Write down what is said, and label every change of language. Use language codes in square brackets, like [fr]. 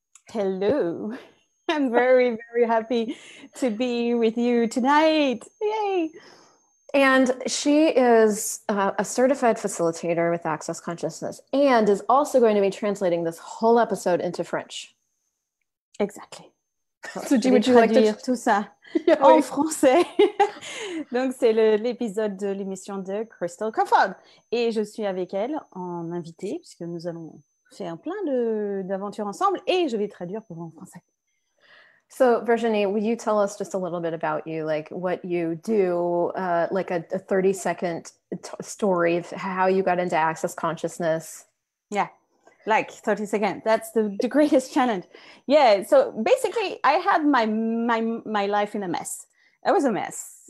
[en] Hello. I'm very, very happy to be with you tonight. Yay. And she is a certified facilitator with Access Consciousness and is also going to be translating this whole episode into French. Exactly. [fr] So je vais traduire tout ça en français. Donc, c'est l'épisode de l'émission de Christel Crawford. Et je suis avec elle en invité, puisque nous allons faire plein d'aventures ensemble. Et je vais traduire pour vous en français. [en] So, Virginie, will you tell us just a little bit about you, like what you do, like a 30-second story of how you got into Access Consciousness? Yeah, like 30 seconds. That's the greatest challenge. Yeah, so basically, I had my life in a mess. I was a mess.